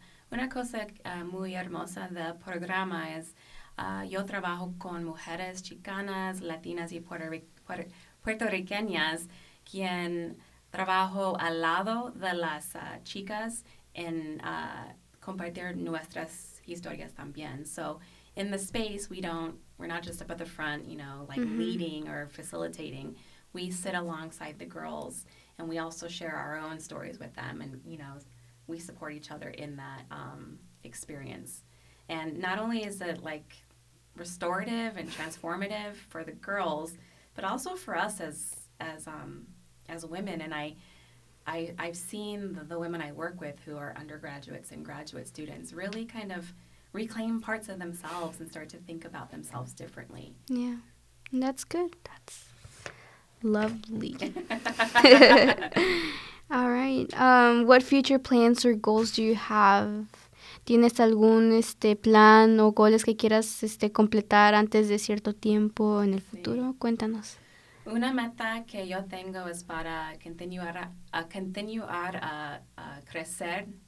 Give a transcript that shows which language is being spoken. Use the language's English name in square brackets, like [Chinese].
[Spanish] Una cosa muy hermosa del programa es yo trabajo con mujeres chicanas, latinas y puertorriqueñas, quien trabajo al lado de las chicas en compartir nuestras historias también. [English] So in the space, we're not just up at the front, mm-hmm. leading or facilitating. We sit alongside the girls, and we also share our own stories with them, and we support each other in that experience. And not only is it restorative and transformative for the girls, but also for us as women. And I've seen the women I work with who are undergraduates and graduate students really kind of reclaim parts of themselves and start to think about themselves differently. Yeah, that's good. That's lovely. All right. What future plans or goals do you have? [Spanish] ¿Tienes algún plan o goles que quieras completar antes de cierto tiempo en el futuro? Sí. Cuéntanos. Una meta que yo tengo es para continuar a crecer.